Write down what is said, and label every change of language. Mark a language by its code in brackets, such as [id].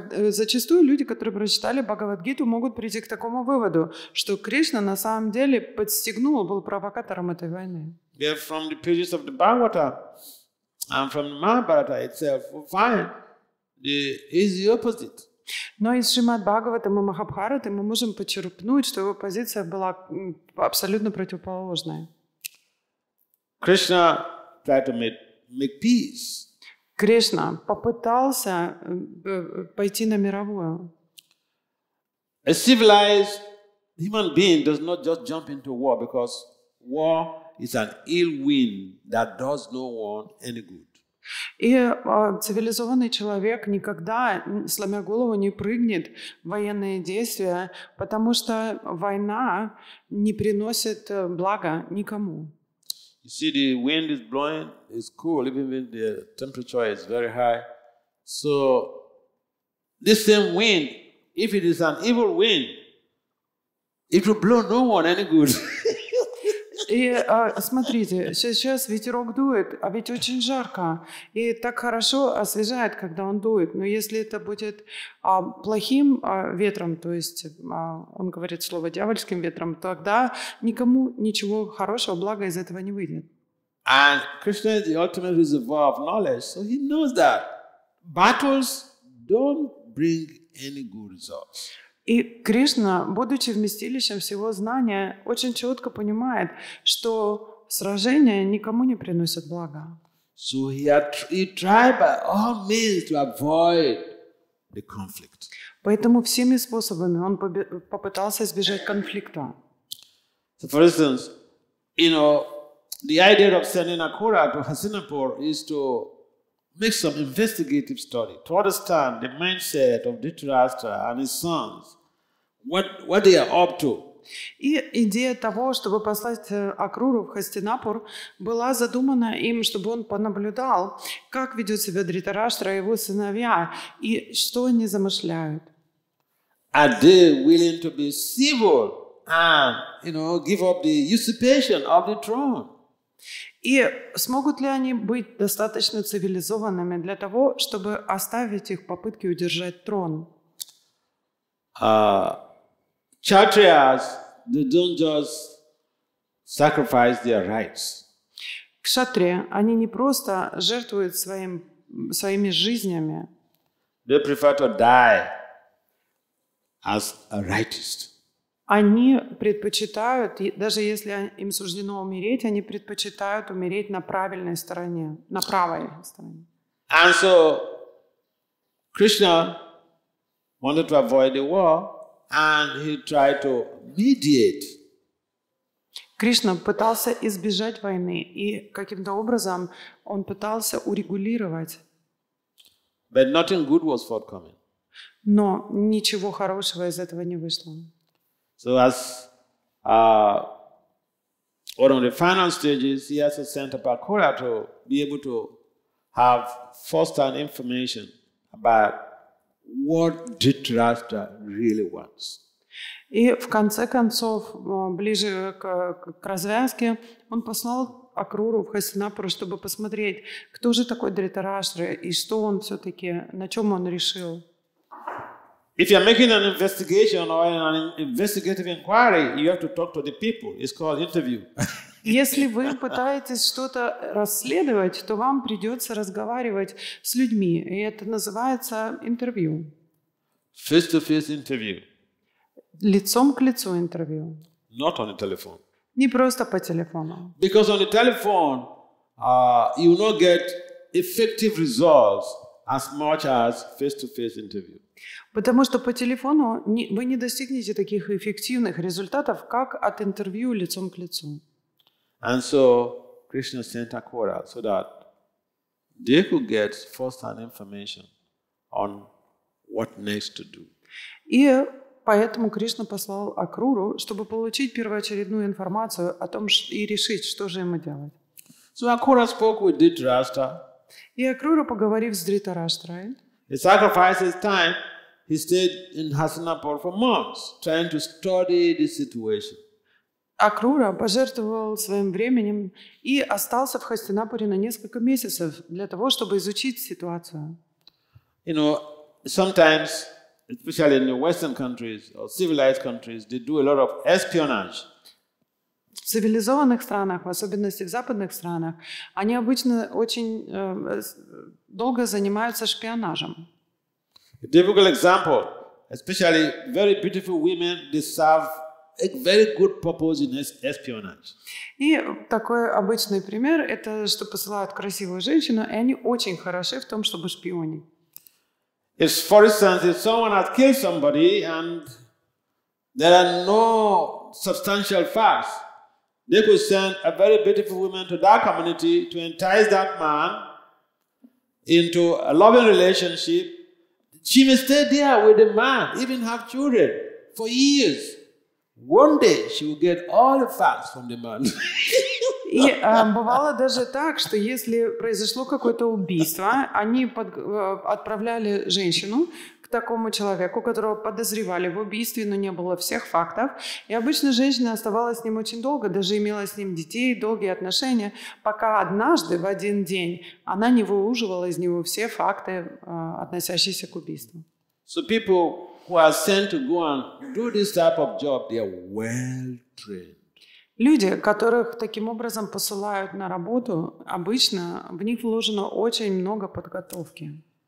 [ru] Зачастую люди, которые прочитали Бхагавад-гиту, могут прийти к такому выводу, что Кришна на самом деле подстегнул, был провокатором этой войны. [en] Yeah, from the pages of the Bhagavata and from the Mahabharata itself, we find is the opposite. [ru] Но из Шримад Бхагаватам и Махабхараты мы можем почерпнуть, что его позиция была абсолютно противоположная. [en] Krishna tried to make peace. [ru] Кришна попытался пойти на мировую. [en] A civilized human being does not just jump into war because war is an ill wind that does no one any good. [ru] И цивилизованный человек никогда, сломя голову, не прыгнет в военные действия, потому что война не приносит блага никому. [en] You see, the wind is blowing, it's cool, even when the temperature is very high. So, this same wind, if it is an evil wind, It will blow no one any good. [ru] И смотрите, сейчас ветерок дует, а ведь очень жарко. И так хорошо освежает, когда он дует. Но если это будет плохим ветром, то есть он говорит слово дьявольским ветром, тогда никому ничего хорошего, блага из этого не выйдет. [en] And Krishna is the ultimate reservoir of knowledge, so he knows that battles don't bring any good results. [ru] И Кришна, будучи вместилищем всего знания, очень четко понимает, что сражения никому не приносят блага. [en] So he tried by all means to avoid the conflict. [ru] Поэтому всеми способами он попытался избежать конфликта. [en] So for instance, you know, the idea of sending Akura to Hastinapur is to make some investigative study to understand the mindset of Dhritarashtra and his sons. What they are up to? [ru] И идея того, чтобы послать Акруру в Хастинапур, была задумана им, чтобы он понаблюдал, как ведет себя Дхритараштра и его сыновья, и что они замышляют. [en] Are they willing to be civil and, you know, give up the usurpation of the throne? [ru] И смогут ли они быть достаточно цивилизованными для того, чтобы оставить их попытки удержать трон? [en] Kshatriyas, they don't just sacrifice their rights. [ru] Кшатрия, они не просто жертвуют своими жизнями. [en] They prefer to die as a righteous. [ru] Они предпочитают, даже если им суждено умереть, они предпочитают умереть на правильной стороне, на правой стороне. [en] And so Krishna wanted to avoid the war. And he tried to mediate. [ru] Кришна пытался избежать войны, и каким-то образом он пытался урегулировать. [en] But nothing good was forthcoming. [ru] Но ничего хорошего из этого не вышло. [en] So as one of the final stages, he has to send up Akura to be able to have first-hand information about what Dhritarashtra really wants. [ru] И в конце концов, ближе к развязке, он послал Акруру в Хастинапур, чтобы посмотреть, кто же такой Дхритарашра и что он все-таки, на чем он решил. [en] If you're making an investigation or an investigative inquiry, you have to talk to the people. It's called interview. [ru] Если вы пытаетесь что-то расследовать, то вам придется разговаривать с людьми, и это называется интервью. [en] Face-to-face interview. [ru] Лицом к лицу интервью. [en] Not on the telephone. [ru] Не просто по телефону. [en] Because on the telephone, you will not get effective results as much as face-to-face interview. [ru] Потому что по телефону вы не достигнете таких эффективных результатов, как от интервью лицом к лицу. [en] And so Krishna sent Akura so that they could get first-hand information on what next to do. [ru] И поэтому Кришна послал Акруру, чтобы получить первоочередную информацию о том и решить, что же ему делать. [en] So Akura spoke with Dhritarashtra. [ru] И Акрура, поговорив с Дхритараштрой, [en] he sacrificed his time. He stayed in Hastinapur for months, trying to study the situation. [ru] Акрура пожертвовал своим временем и остался в Хастинапуре на несколько месяцев для того, чтобы изучить ситуацию. [en] You know, sometimes, especially in the Western countries or civilized countries, they do a lot of espionage. [ru] В цивилизованных странах, в особенности в западных странах, они обычно очень долго занимаются шпионажем. [en] A typical example, especially very beautiful women, they serve a very good purpose in espionage. [ru] И такой обычный пример – это что посылают красивую женщину, и они очень хороши в том, чтобы шпионить. [en] If, for instance, if someone has killed somebody and there are no substantial facts, they could send a very beautiful woman to that community to entice that man into a loving relationship. She may stay there with the man, even have children for years. One day she will get all the facts from the man. [ru] И бывало даже так, что если произошло какое-то убийство, они отправляли женщину к такому человеку, которого подозревали в убийстве, но не было всех фактов. И обычно женщина оставалась с ним очень долго, даже имела с ним детей, долгие отношения, пока однажды в один день она не выуживала из него все факты, относящиеся к убийству. [en] So people who are sent to go and do this type of job, they are well trained. [ru] Люди, которых таким образом посылают на работу, обычно в них вложено очень много подготовки.